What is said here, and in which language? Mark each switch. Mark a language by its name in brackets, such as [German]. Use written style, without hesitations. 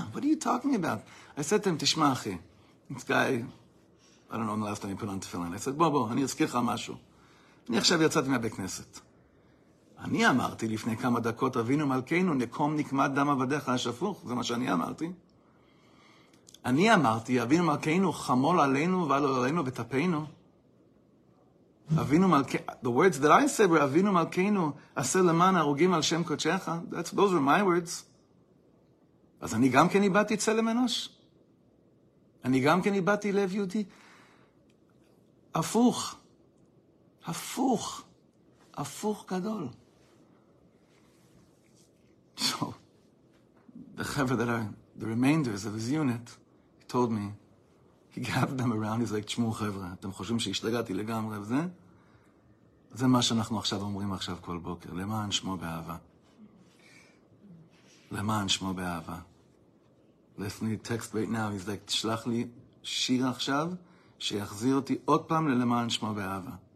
[English] What are you talking about? I said to him, [Hebrew] תשמע אחי, [English] this guy, I don't know, I'm left on me, put on tefillin. I said, [Hebrew] בוא, אני אזכיר לך משהו. אני עכשיו יצאתי מהבית כנסת. אני אמרתי לפני כמה דקות, אבינו מלכנו, נקום נקמת דם עבדיך השפוך. זה מה שאני אמרתי. אני אמרתי, אבינו מלכנו, חמול עלינו ועל עלינו וטפינו. אבינו מלכנו, [English] the words that I said were, [Hebrew] אבינו מלכנו, עשה למען הרוגים על שם קודשך. [English] Those were my words. [Hebrew] אז אני גם כן איבדתי צלם אנוש. אני גם כן איבדתי לב יהודי. הפוך. הפוך. הפוך גדול. [English] So, the chever that I, the remainders of his unit, he told me, he gathered them around, he's like, [Hebrew] תשמעו חבר'ה, אתם חושבים שהשתגעתי לגמרי וזה? זה מה שאנחנו עכשיו אומרים עכשיו כל בוקר, למען שמו באהבה. למען שמו באהבה. [English] Listen to the text right now, he's like, [Hebrew] תשלח לי שיר עכשיו, שיחזיר אותי עוד פעם ללמען שמו באהבה.